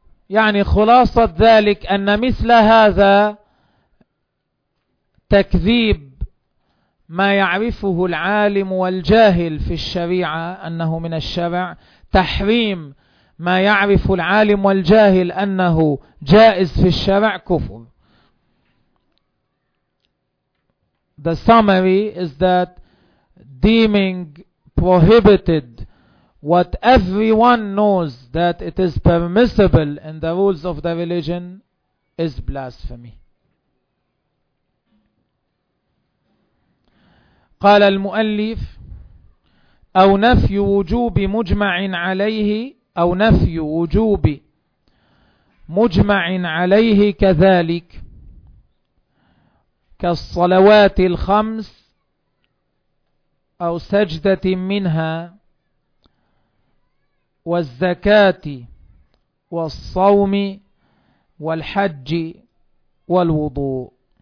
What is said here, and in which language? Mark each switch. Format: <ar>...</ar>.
<ar>يعني خلاصة ذلك أن مثل هذا تكذيب ما يعرفه العالم والجاهل في الشريعة أنه من الشرع، تحريم ما يعرف العالم والجاهل أنه جائز في الشرع كفر.</ar> <en>The summary is that deeming prohibited what everyone knows that it is permissible in the rules of the religion is blasphemy.</en> <ar>قال المؤلف أو نفي وجوب مجمع عليه أو نفي وجوب مجمع عليه كذلك كالصلوات الخمس أو سجدة منها والزكاة والصوم والحج والوضوء.</ar>